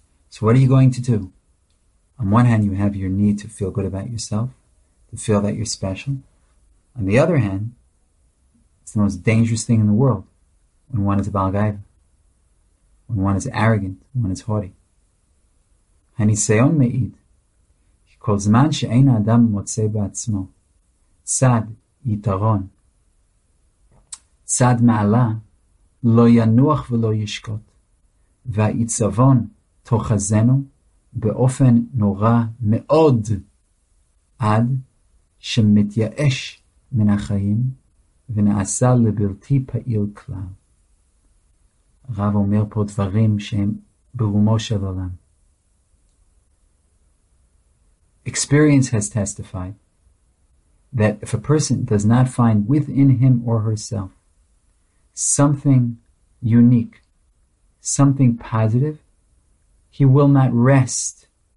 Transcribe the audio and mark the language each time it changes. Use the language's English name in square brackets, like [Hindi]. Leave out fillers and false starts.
[English] So what are you going to do? On one hand, you have your need to feel good about yourself, to feel that you're special. On the other hand, it's the most dangerous thing in the world when one is a baal gaiva, when one is arrogant, when one is haughty. [Hebrew] Ha-niseyon me'id, כל זמן שאין האדם מוצא בעצמו צד יתרון, צד מעלה, לא ינוח ולא ישקוט, והעיצבון תוחזנו באופן נורא מאוד, עד שמתייאש מן החיים ונעשה לבלתי פעיל כלל. רב אומר פה דברים שהם ברומו של עולם. [English] Experience has testified that if a person does not find within him or herself something unique, something positive, he will not rest.